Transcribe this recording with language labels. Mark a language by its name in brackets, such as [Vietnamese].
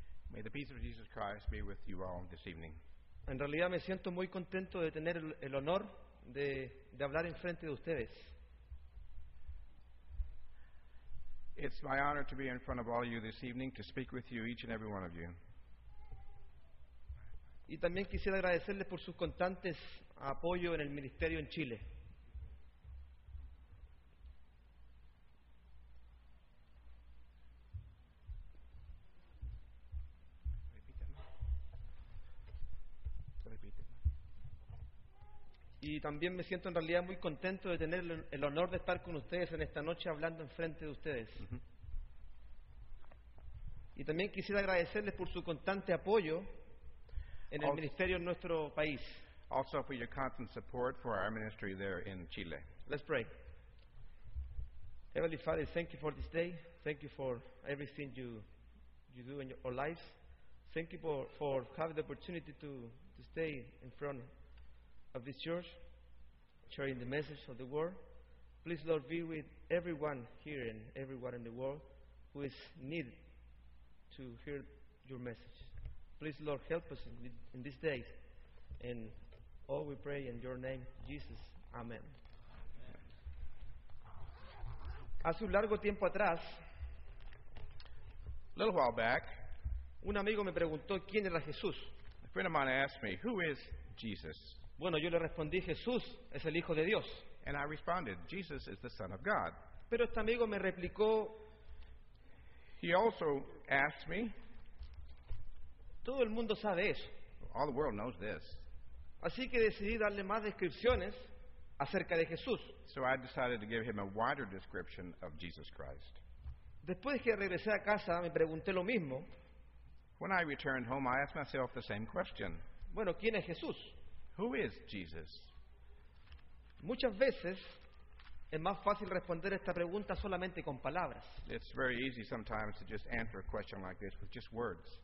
[English] May the peace of Jesus Christ be with you all this evening. [Spanish] En realidad me siento muy contento de tener el honor de hablar en frente de ustedes. [English] It's my honor to be in front of all of you this evening to speak with you, each and every one of you. [Spanish] Y también quisiera agradecerles por sus constantes apoyo en el ministerio en Chile. Y también me siento en realidad muy contento de tener el honor de estar con ustedes en esta noche hablando en frente de ustedes. Uh-huh. Y también quisiera agradecerles por su constante apoyo en el ministerio en nuestro país. [English] Also for your constant support for our ministry there in Chile. Let's pray. Heavenly Father, thank you for this day. Thank you for everything you do in our lives. Thank you for having the opportunity to stay in front of this church, sharing the message of the word. Please, Lord, be with everyone here and everyone in the world who is needed to hear your message. Please, Lord, help us in these days. And all we pray in your name, Jesus. Amen. [Spanish] Hace un largo tiempo atrás, [English] a little while back, [Spanish] un amigo me preguntó quién era Jesús. [English] A friend of mine asked me, who is Jesus? [Spanish] Bueno, yo le respondí, Jesús es el Hijo de Dios. [English] And I responded, Jesus is the Son of God. [Spanish] Pero este amigo me replicó, [English] he also asked me, [Spanish] todo el mundo sabe eso. [English] All the world knows this. [Spanish] Así que decidí darle más descripciones acerca de Jesús. [English] So I decided to give him a wider description of Jesus Christ. [Spanish] Después que regresé a casa, me pregunté lo mismo. [English] When I returned home, I asked myself the same question. [Spanish] Bueno, ¿quién es Jesús? [English] Who is Jesus? [Spanish] Muchas veces es más fácil responder esta pregunta solamente con palabras. [English] It's very easy sometimes to just answer a question like this with just words.